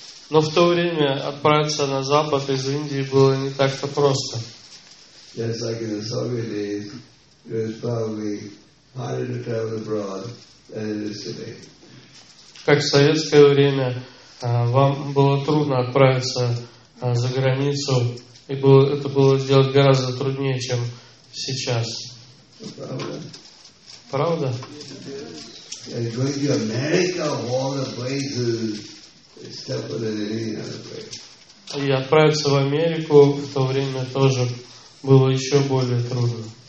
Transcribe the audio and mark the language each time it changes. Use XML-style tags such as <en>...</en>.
<ru>Но в то время отправиться на Запад из Индии было не так-то просто.</ru> <en>Just like in the Soviet days, it was probably harder to travel abroad than it is today.</en> <ru>Как в советское время вам было трудно отправиться за границу, и было это было сделать гораздо труднее, чем сейчас. Правда? Правда?</ru> <en>Yeah, going to America, all the places, tougher than any other place.</en> <ru>И отправиться в Америку в то время тоже было еще более трудно.</ru>